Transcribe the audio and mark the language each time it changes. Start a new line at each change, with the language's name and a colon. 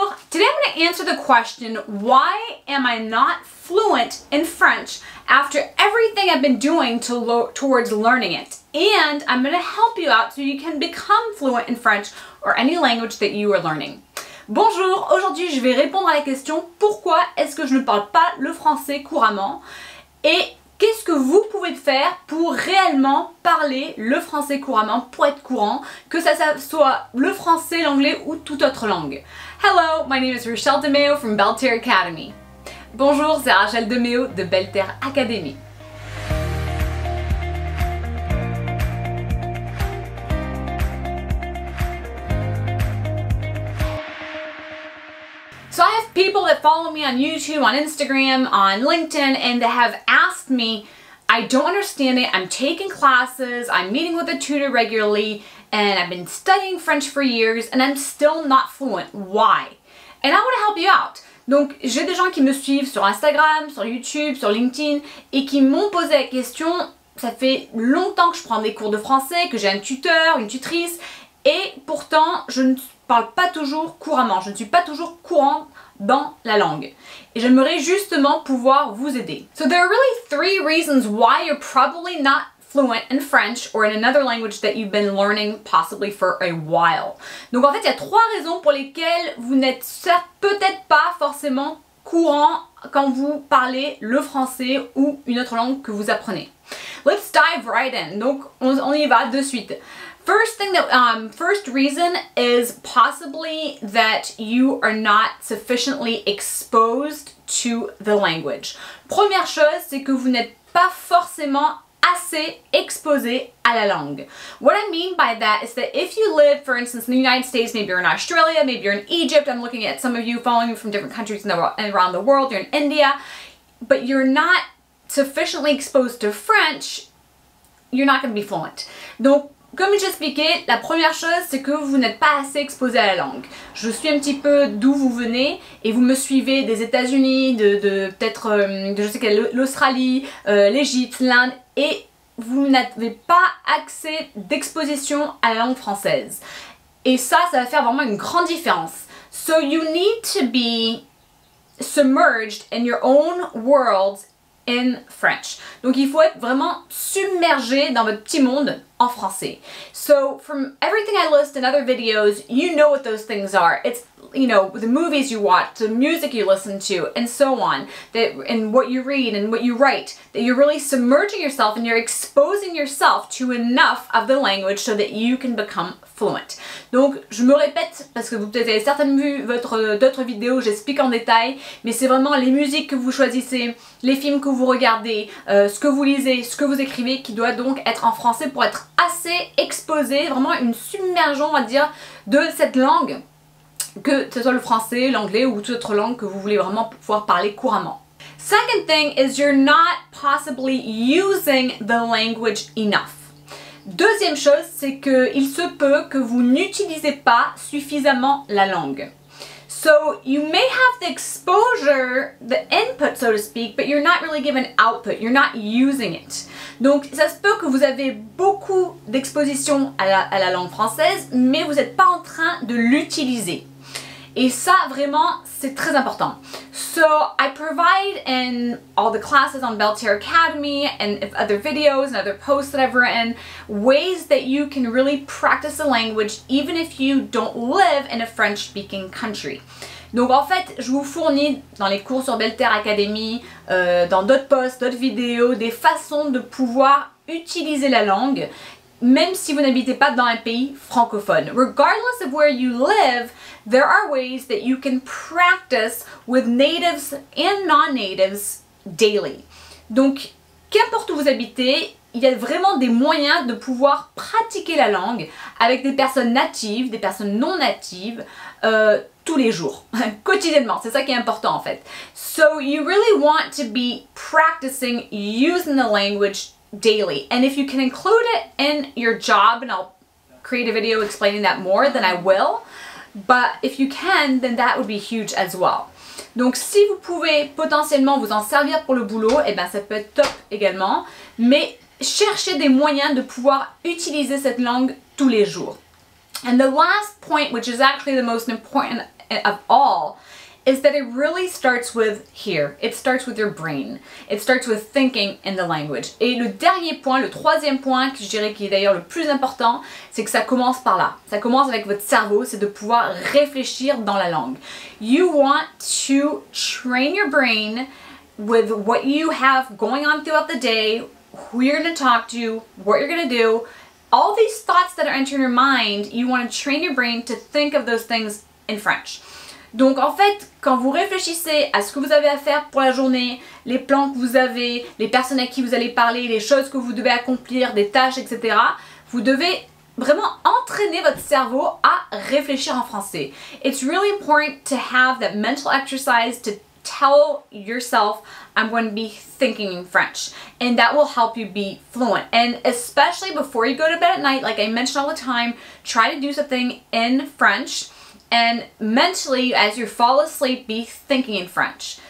English: Today I'm going to answer the question, why am I not fluent in French after everything I've been doing towards learning it? And I'm going to help you out so you can become fluent in French or any language that you are learning.
French: Bonjour, aujourd'hui je vais répondre à la question pourquoi est-ce que je ne parle pas le français couramment et qu'est-ce que vous pouvez faire pour réellement parler le français couramment, pour être courant, que ça soit le français, l'anglais ou toute autre langue.
English: Hello, my name is Rochelle DeMeo from Belterre Academy.
French: Bonjour, c'est Rachel DeMeo de Belterre Academy.
English: So I have people that follow me on YouTube, on Instagram, on LinkedIn, and they have asked me, I don't understand it, I'm taking classes, I'm meeting with a tutor regularly, and I've been studying French for years, and I'm still not fluent. Why? And I want to help you out.
French: Donc, j'ai des gens qui me suivent sur Instagram, sur YouTube, sur LinkedIn, et qui m'ont posé la question, ça fait longtemps que je prends des cours de français, que j'ai un tuteur, une tutrice, et pourtant, je ne parle pas toujours couramment, je ne suis pas toujours courant dans la langue. Et j'aimerais justement pouvoir vous aider.
English: So there are really three reasons why you're probably not fluent in French or in another language that you've been learning possibly for a while.
French: Donc en fait, il y a trois raisons pour lesquelles vous n'êtes peut-être pas forcément courant quand vous parlez le français ou une autre langue que vous apprenez.
English: Let's dive right in.
French: Donc on y va de suite.
English: First reason is possibly that you are not sufficiently exposed to the language.
French: Première chose, c'est que vous n'êtes pas forcément assez exposé à la langue.
English: What I mean by that is that if you live, for instance, in the United States, maybe you're in Australia, maybe you're in Egypt, I'm looking at some of you following me from different countries in the world, and around the world, you're in India, but you're not sufficiently exposed to French, you're not going to be fluent.
French: Donc, comme j'ai expliqué, la première chose, c'est que vous n'êtes pas assez exposé à la langue. Je suis un petit peu d'où vous venez, et vous me suivez des États-Unis, de peut-être, de je sais quelle, l'Australie, l'Égypte, l'Inde, et vous n'avez pas accès d'exposition à la langue française. Et ça, ça va faire vraiment une grande différence.
English: So you need to be submerged in your own world in French.
French: Donc il faut être vraiment submergé dans votre petit monde en français.
English: So from everything I list in other videos, you know what those things are. It's, you know, the movies you watch, the music you listen to, and so on, that, and what you read and what you write, that you're really submerging yourself and you're exposing yourself to enough of the language so that you can become fluent.
French: Donc, je me répète, parce que vous peut-être avez certainement vu d'autres vidéos, j'explique en détail, mais c'est vraiment les musiques que vous choisissez, les films que vous regardez, ce que vous lisez, ce que vous écrivez, qui doit donc être en français pour être assez exposé, vraiment une submergeon, on va dire, de cette langue. Que ce soit le français, l'anglais ou toute autre langue que vous voulez vraiment pouvoir parler couramment.
English: Second thing is you're not possibly using the language enough.
French: Deuxième chose, c'est qu'il se peut que vous n'utilisez pas suffisamment la langue.
English: So you may have the exposure, the input so to speak, but you're not really given output, you're not using it.
French: Donc ça se peut que vous avez beaucoup d'exposition à la langue française, mais vous n'êtes pas en train de l'utiliser. Et ça, vraiment, c'est très important.
English: So, I provide in all the classes on Belterre Academy and other videos and other posts that I've written ways that you can really practice the language even if you don't live in a French-speaking country.
French: Donc, en fait, je vous fournis dans les cours sur Belterre Academy, dans d'autres posts, d'autres vidéos, des façons de pouvoir utiliser la langue même si vous n'habitez pas dans un pays francophone.
English: Regardless of where you live, there are ways that you can practice with natives and non-natives daily.
French: Donc, qu'importe où vous habitez, il y a vraiment des moyens de pouvoir pratiquer la langue avec des personnes natives, des personnes non-natives, tous les jours, quotidiennement. C'est ça qui est important en fait.
English: So, you really want to be practicing using the language daily. And if you can include it in your job, and I'll create a video explaining that more than I will, but if you can, then that would be huge as well.
French: Donc si vous pouvez potentiellement vous en servir pour le boulot, et ben ça peut être top également, mais cherchez des moyens de pouvoir utiliser cette langue tous les jours.
English: And the last point, which is actually the most important of all is that it really starts with here. It starts with your brain. It starts with thinking in the language.
French: Et le dernier point, le troisième point, que je dirais qui est d'ailleurs le plus important, c'est que ça commence par là. Ça commence avec votre cerveau, c'est de pouvoir réfléchir dans la langue.
English: You want to train your brain with what you have going on throughout the day, who you're going to talk to, what you're going to do. All these thoughts that are entering your mind, you want to train your brain to think of those things in French.
French: Donc en fait, quand vous réfléchissez à ce que vous avez à faire pour la journée, les plans que vous avez, les personnes à qui vous allez parler, les choses que vous devez accomplir, des tâches, etc., vous devez vraiment entraîner votre cerveau à réfléchir en français.
English: It's really important to have that mental exercise to tell yourself, I'm going to be thinking in French, and that will help you be fluent. And especially before you go to bed at night, like I mention all the time, try to do something in French. And mentally, as you fall asleep, be thinking in French.